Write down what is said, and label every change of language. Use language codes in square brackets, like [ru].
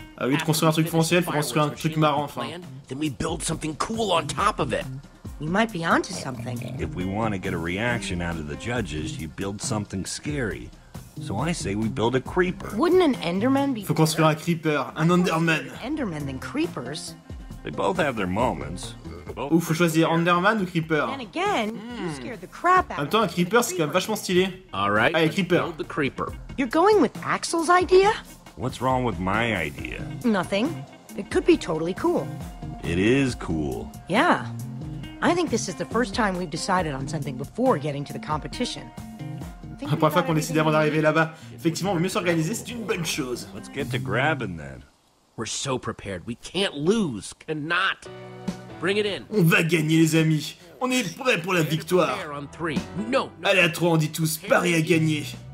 [fr] Au lieu de construire un truc fonctionnel, faut construire un truc marrant, enfin. [en] Then we build something cool on top of it. We might be onto something. If we want to get a reaction out of the judges, you build something scary. So I say we build a creeper. Wouldn't an Enderman be? [fr] Faut construire un creeper, un Enderman. [en] Enderman than creepers. They both have their moments. [fr] Ouf, faut choisir Enderman ou creeper. [en] And again, you scared the crap out of me. [fr] En même temps, un creeper, c'est quand même vachement stylé. [en] All right. [fr] Allez, creeper. [en] Build the creeper. You're going with Axel's idea? What's wrong with my idea? Nothing. It could be totally cool. It is cool. Yeah. I think this is the first time we've decided on something before getting to the competition. [fr] La première fois qu'on décide avant d'arriver là-bas. Effectivement, mieux s'organiser, c'est une bonne chose. [en] Let's get to grabbing then. We're so prepared. We can't lose. Cannot. Bring it in. [fr] On va gagner, les amis. On est prêts pour la victoire. Allez, à trois, on dit tous, pari à gagner.